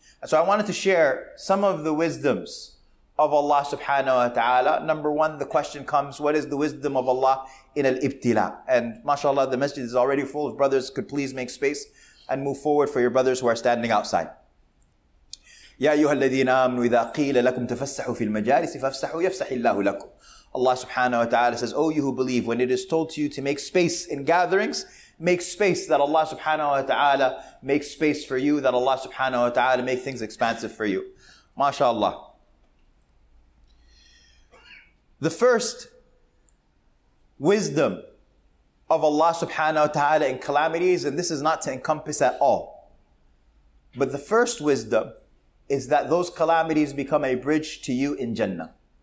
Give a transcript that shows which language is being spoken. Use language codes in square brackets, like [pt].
[en] And so I wanted to share some of the wisdoms of Allah subhanahu wa ta'ala. Number one, the question comes, what is the wisdom of Allah in al-ibtila? And mashallah, the masjid is already full of brothers. Could please make space and move forward for your brothers who are standing outside. [ar] يا أيها الذين آمنوا إذا قيل لكم تفسحوا في المجالس فافسحوا يفسح الله لكم. [en] Allah subhanahu wa ta'ala says, O you who believe, when it is told to you to make space in gatherings, make space, that Allah subhanahu wa ta'ala make space for you, that Allah subhanahu wa ta'ala make things expansive for you. MashaAllah. The first wisdom of Allah subhanahu wa ta'ala in calamities, and this is not to encompass at all, but the first wisdom is that those calamities become a bridge to you in Jannah.